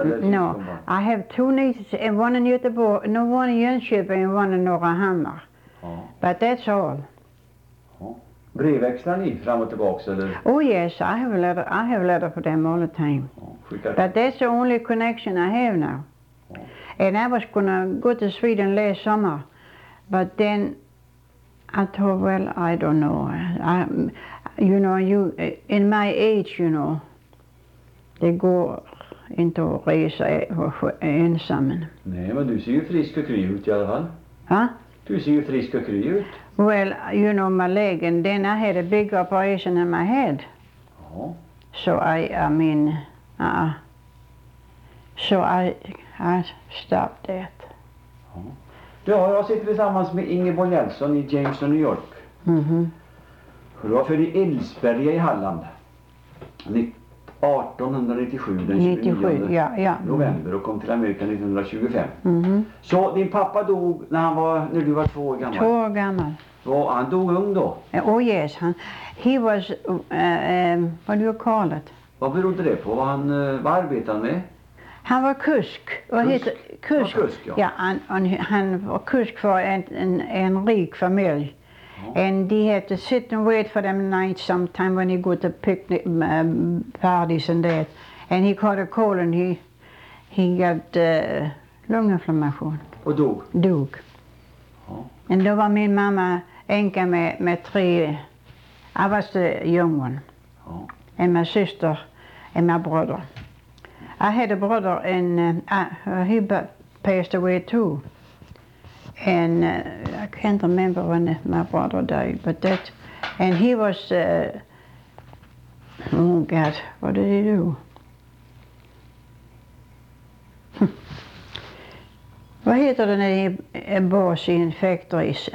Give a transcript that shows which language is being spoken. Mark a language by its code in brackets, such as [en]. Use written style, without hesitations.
[sv] eller [en] no. I have two nieces and one in Göteborg, no one in Jönköping and one in Norrahammar. [sv] Ja. [en] But that's all. [sv] Ja. Brevväxlar ni fram och tillbaka eller? [en] Oh yes, I have a letter for them all the time. [sv] Ja, [en] but that's the only connection I have now. [sv] Ja. [en] And I was gonna go to Sweden last summer. But then I thought, well, I don't know. In my age, they go into a race [sv] ensam. Nej, men du ser ju frisk och kry ut i alla fall. Ha? Du ser ju frisk och kry ut. [en] Well, you know, my leg, and then I had a big operation in my head. [sv] Ja. [en] So I stopped that. [sv] Ja, jag sitter tillsammans med Ingeborg Nelson i Jamestown, New York. Mm-hmm. Du var född i Ilsberga i Halland. 1897, den 29 november och kom till Amerika 1925. Mm-hmm. Så din pappa dog när du var 2 år gammal? 2 år gammal. Ja, han dog ung då? [en] Oh yes, he was, what do you call it? [sv] Vad berodde det på? Vad arbetade han med? Han var kusk. Kusk. Ja, han var kusk för en rik familj. Ja. [en] And he had to sit and wait for them at night sometime when he go to picnic parties and that. And he caught a cold and he got [sv] lunginflammation. Och dog? Dog. Ja. And då var min mamma enka med 3. [en] I was the young one. Ja. And my sister and my brother. I had a brother and he passed away too. And I can't remember when my brother died, but that, and he was, what did he do? [sv] Vad heter det när [en] he boss [sv] i en factory?